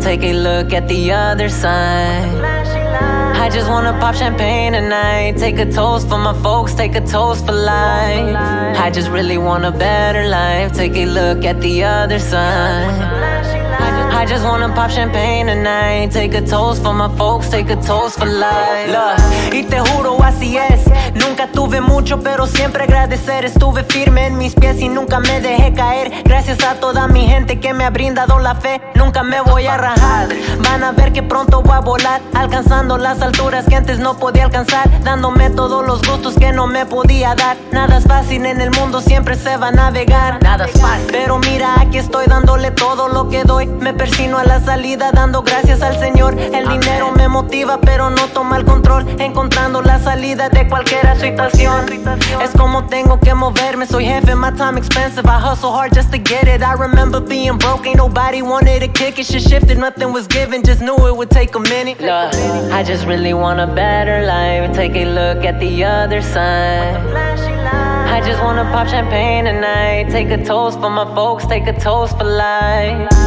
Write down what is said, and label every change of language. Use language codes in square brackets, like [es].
[en] Take a look at the other side. I just wanna pop champagne tonight. Take a toast for my folks, take a toast for life. I just really want a better life. Take a look at the other side. I just wanna pop champagne tonight. Take a toast for my folks, take a toast for life. [es] Look, y te juro así es. Nunca tuve mucho, pero siempre agradecer. Estuve firme en mis pies y nunca me dejé caer. Gracias a toda mi gente que me ha brindado la fe. Nunca me voy a rajar. Van a ver que pronto voy a volar, alcanzando las alturas que antes no podía alcanzar. Dándome todos los gustos que no me podía dar. Nada es fácil en el mundo, siempre se va a navegar. Nada es fácil. Pero mira, aquí estoy dándole todo lo que doy. Me persino a la salida dando gracias al Señor. El dinero me motiva pero no toma el control. Encontrando la salida de cualquier situación. Es como tengo que moverme, soy jefe. [en] My time expensive, I hustle hard just to get it. I remember being broke, ain't nobody wanted to kick it. Shit shifted, nothing was given, just knew it would take a minute. Look, I just really want a better life. Take a look at the other side. I just wanna pop champagne tonight. Take a toast for my folks, take a toast for life.